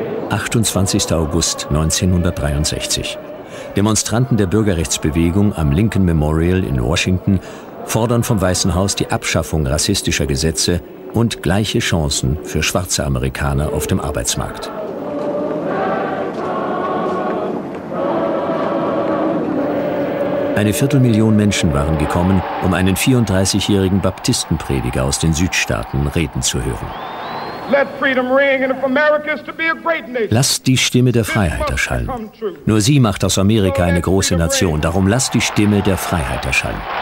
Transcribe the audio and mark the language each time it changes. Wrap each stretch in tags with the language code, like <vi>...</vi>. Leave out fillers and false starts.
<de>August 1963. Demonstranten der Bürgerrechtsbewegung am Lincoln Memorial in Washington fordern vom Weißen Haus die Abschaffung rassistischer Gesetze und gleiche Chancen für schwarze Amerikaner auf dem Arbeitsmarkt. Eine Viertelmillion Menschen waren gekommen, um einen 34-jährigen Baptistenprediger aus den Südstaaten reden zu hören.</de> <en>Let freedom ring, and if America is to be a great nation.</en> <de>Lasst die Stimme der Freiheit erschallen. Nur sie macht aus Amerika eine große Nation. Darum lasst die Stimme der Freiheit erschallen.</de>